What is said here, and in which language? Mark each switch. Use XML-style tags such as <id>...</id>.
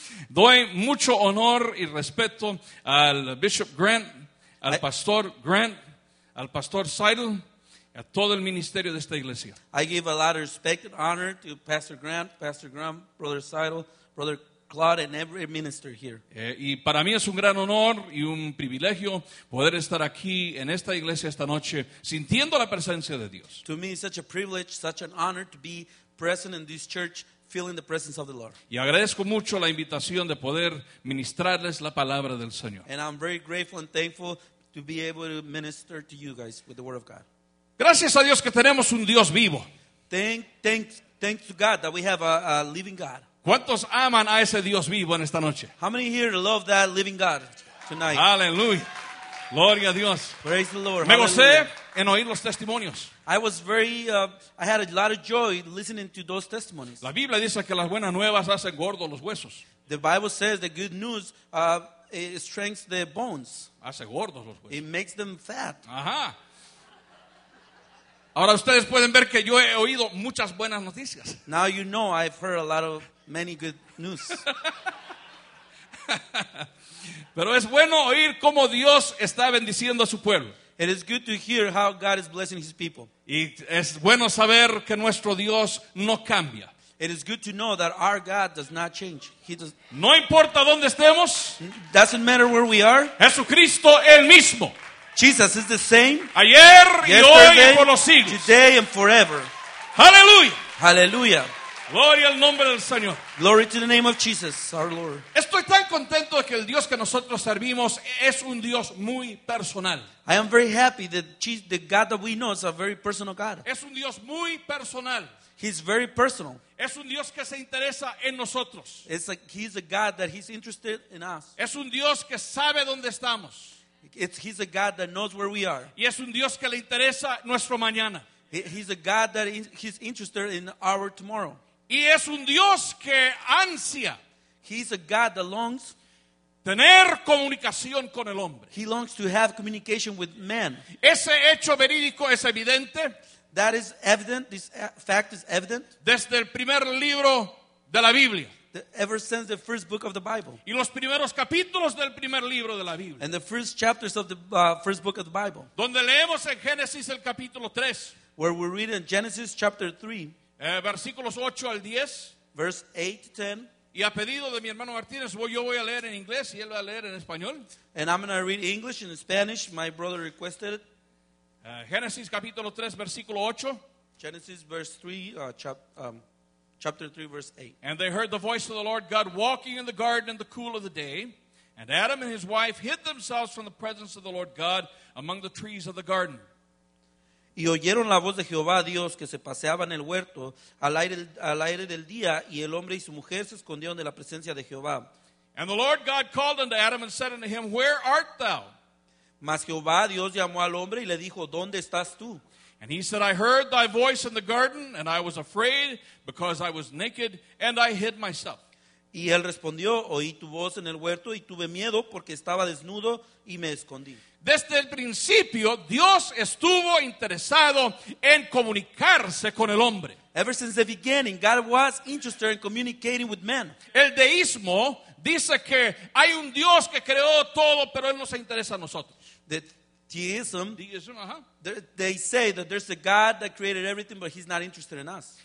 <es>Doy mucho honor y respeto al Bishop Grant, al Pastor Seidel, a todo el ministerio de esta iglesia.</es> <en>I give a lot of respect and honor to Pastor Grant, Pastor Graham, Brother Seidel, Brother Claude, and every minister here.</en> <es>Y para mí es un gran honor y un privilegio poder estar aquí en esta iglesia esta noche sintiendo la presencia de Dios.</es> <en>To me it's such a privilege, such an honor to be present in this church, feeling the presence of the Lord.</en> <es>Y agradezco mucho la invitación de poder ministrarles la palabra del Señor.</es> <en>And I'm very grateful and thankful to be able to minister to you guys with the word of God.</en> <es>Gracias a Dios que tenemos un Dios vivo.</es> <en>Thank, thank, thanks to God that we have a living God.</en> <es>¿Cuántos aman a ese Dios vivo en esta noche?</es> <en>How many here love that living God tonight?</en> <es>Aleluya. Gloria a Dios.</es> <en>Praise the Lord.</en> <es>Me gocé en oír los testimonios.</es> <en>I was very, I had a lot of joy listening to those testimonies.</en> <es>La Biblia dice que las buenas nuevas hacen gordos los huesos.</es> <en>The Bible says the good news strengthens the bones.</en> <es>Hace gordos los huesos.</es> <en>It makes them fat.</en> <es>Ajá.</es> <en>Ahora ustedes pueden ver que yo he oído muchas buenas noticias. Now you know I've heard a lot of many good news.</en> <es>Pero es bueno oír cómo Dios está bendiciendo a su pueblo.</es> <en>It is good to hear how God is blessing his people.</en> <es>Y es bueno saber que nuestro Dios no cambia.</es> <en>It is good to know that our God does not change. He does.</en> <es>No importa dónde estemos.</es> <en>Doesn't matter where we are.</en> <es>Jesucristo el mismo.</es> <en>Jesus is the same.</en> <es>Ayer y hoy y por los siglos.</es> <en>Today and forever. Hallelujah. Hallelujah.</en> <es>Gloria al nombre del Señor.</es> <en>Glory to the name of Jesus, our Lord.</en> <es>Estoy tan contento de que el Dios que nosotros servimos es un Dios muy personal.</es> <en>I am very happy that the God that we know is a very personal God.</en> <es>Es un Dios muy personal.</es> <en>He's very personal.</en> <es>Es un Dios que se interesa en nosotros.</es> <en>It's like he's a God that he's interested in us.</en> <es>Es un Dios que sabe dónde estamos.</es> <en>He's a God that knows where we are.</en> <es>Y es un Dios que le interesa nuestro mañana.</es> <en>He's a God that he's interested in our tomorrow.</en> <es>Y es un Dios que ansia.</es> <en>He's a God that longs</en> <es>tener comunicación con el hombre.</es> <en>He longs to have communication with man.</en> <es>Ese hecho verídico es evidente.</es> <en>That is evident. This fact is evident.</en> <es>Desde el primer libro de la Biblia.</es> <en>Ever since the first book of the Bible.</en> <es>Y los primeros capítulos del primer libro de la Biblia.</es> <en>And the first chapters of the first book of the Bible.</en> <es>Donde leemos en Génesis el capítulo 3.</es> <en>Where we read in Genesis chapter 3.</en> <es>Versículos 8 al 10.</es> <en>Verse 8 to 10.</en> <es>Y a pedido de mi hermano Martínez, yo voy a leer en inglés y él va a leer en español.</es> <en>And I'm going to read English and Spanish. My brother requested it.</en> <es>Génesis capítulo 3, versículo 8.</es> <en>Genesis verse 3, chapter 3, verse 8. And they heard the voice of the Lord God walking in the garden in the cool of the day. And Adam and his wife hid themselves from the presence of the Lord God among the trees of the garden.</en> <es>Y oyeron la voz de Jehová Dios que se paseaba en el huerto al aire del día, y el hombre y su mujer se escondieron de la presencia de Jehová.</es> <en>And the Lord God called unto Adam and said unto him, Where art thou?</en> <es>Mas Jehová Dios llamó al hombre y le dijo, ¿Dónde estás tú?</es> <en>And he said, I heard thy voice in the garden, and I was afraid, because I was naked, and I hid myself.</en> <es>Y él respondió, oí tu voz en el huerto, y tuve miedo, porque estaba desnudo, y me escondí. Desde el principio, Dios estuvo interesado en comunicarse con el hombre.</es> <en>Ever since the beginning, God was interested in communicating with man.</en> <es>El deísmo dice que hay un Dios que creó todo, pero él no se interesa a nosotros.</es> <en>Deism, they say that there's a God that created everything, but he's not interested in us.</en>